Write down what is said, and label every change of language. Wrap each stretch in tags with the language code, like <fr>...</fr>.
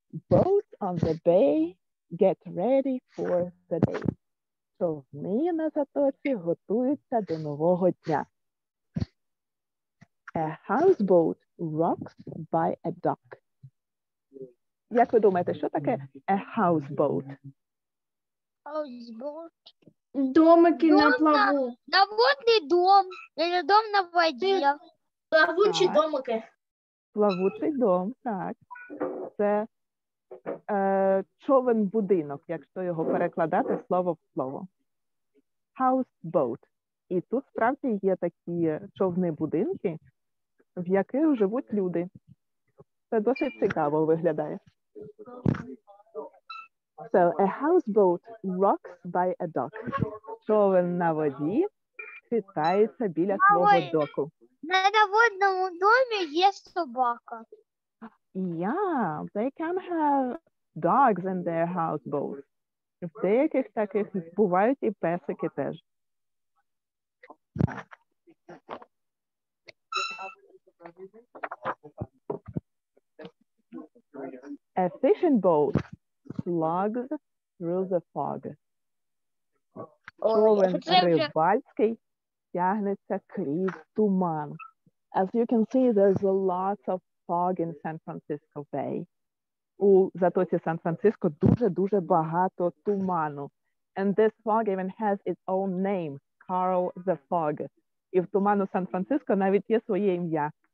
<en>Boats on the bay, get ready for the day.</en> <uk>Човни на затоці готуються до нового дня.</uk> <en>A houseboat rocks by a dock.</en> <uk>Як ви думаєте, що таке a houseboat?</uk> <en>Houseboat.</en> <uk>Домики на плаву. На водний дом. Или дом на воді. Плавучі так. Домики. Плавучий дом, так. Це човен-будинок, якщо його перекладати слово в слово.</uk> <en>Houseboat.</en> <uk>І тут справді є такі човни-будинки, в яких живуть люди. Це досить цікаво виглядає.</uk> <en>So, a houseboat rocks by a dock.</en> <uk>Човен на воді хитається біля свого доку. На водному домі є собака.</uk> <en>Yeah, they can have dogs in their houseboat.</en> <uk>В деяких таких бувають і песики теж.</uk> <en>A fishing boat slugs through the fog.</en> <uk>Човен рибальський тягнеться крізь туман.</uk> <en>As you can see, there's a lot of fog in San Francisco Bay.</en> <uk>У затоці Сан-Франциско дуже-дуже багато туману.</uk> <en>And this fog even has its own name, Carl the Fog.</en> <uk>І в туману Сан-Франциско навіть є своє ім'я.</uk>